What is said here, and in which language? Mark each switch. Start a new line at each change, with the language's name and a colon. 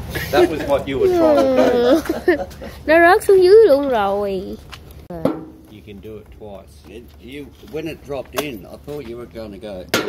English: That was what you were trying to do.
Vietnamese: Nó rớt xuống dưới luôn rồi.
English: You can do it twice. When it dropped in, I thought you were going to go,